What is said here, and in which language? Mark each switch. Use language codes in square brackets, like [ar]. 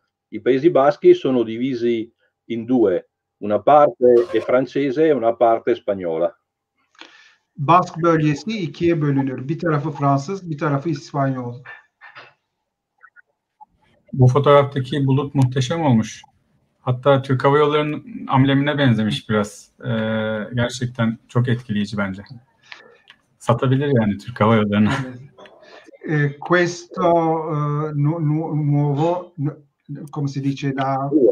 [it] I Paesi Baschi sono divisi in due, una parte è francese e una parte spagnola. [tr] Bask bölgesi ikiye bölünür. Bir tarafı Fransız, bir tarafı İspanyol. Bu fotoğraftaki bulut muhteşem olmuş. Hatta Türk Hava Yolları'nın amblemine benzemiş biraz. Gerçekten çok etkileyici bence. Satabilir yani Türk Hava Yolları'na. [it] Questo nuovo, come si dice da...